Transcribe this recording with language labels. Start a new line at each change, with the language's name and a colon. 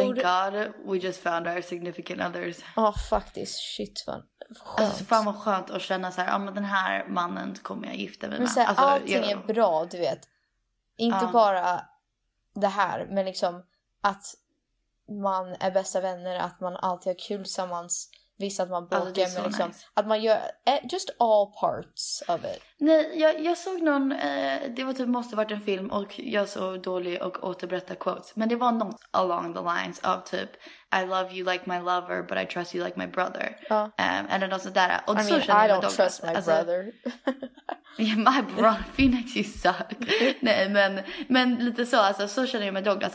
English: thank God we just found our significant others.
Swedish: Ja, oh, faktiskt. Shit, vad skönt. Alltså, fan vad skönt att känna så här, ah, men den här mannen kommer jag gifta mig med. Så här, alltså, allting är bra, du vet. Inte bara det här, men liksom att man är bästa vänner, att man alltid har kul tillsammans. Visst att man bråkar, alltså, men liksom, nice. Att man gör
English: just all parts of it.
Swedish: Nej, jag såg någon, det var typ, måste ha varit en film, och jag såg dålig och återberätta quotes. Men det var något
English: along the lines of typ, I love you like my lover, but I trust you like my brother. And then also that. Och I mean, så I don't trust my brother. Yeah, my brother, Phoenix, you suck.
Swedish: Nej, men lite så, alltså, så känner jag med Douglas.